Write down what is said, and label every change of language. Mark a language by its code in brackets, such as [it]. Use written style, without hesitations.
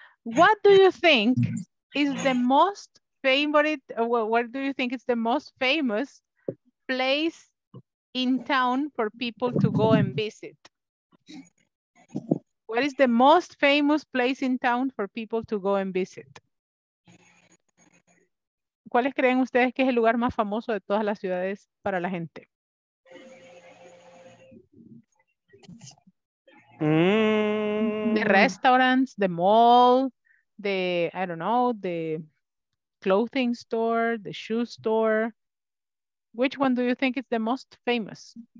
[en] What do you think is the most favorite, what do you think is the most famous place in town for people to go and visit? What is the most famous place in town for people to go and visit? [es] ¿Cuáles creen ustedes que es el lugar más famoso de todas las ciudades para la gente? [en] The restaurants, the mall, the, I don't know, the clothing store, the shoe store. Which one do you think is the most famous?